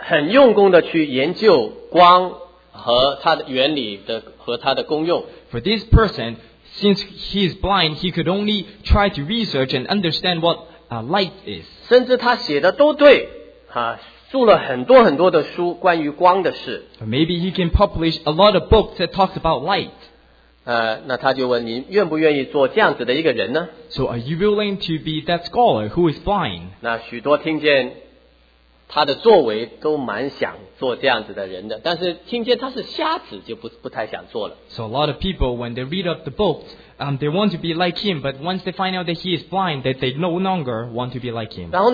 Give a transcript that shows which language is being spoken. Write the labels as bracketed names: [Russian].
[Chinese] 他能够很用功的去研究光, 和他的原理的和他的功用。 [English] For this person, since he is blind, he could only try to research and understand what light is. [Chinese] 甚至他写的都对，啊，出了很多很多的书关于光的事。 [English] Maybe he can publish a lot of books that talks about light. [Chinese] 那他就问你愿不愿意做这样子的一个人呢？ [English] So are you willing to be that scholar who is blind? [Chinese] 那许多听见。他的作为都蛮想做这样子的人的，但是听见他是瞎子，就不太想做了。 [English] So a lot of people when they read up the books, they want to be like him, but once they find out that he is blind, that they no longer want to be like him.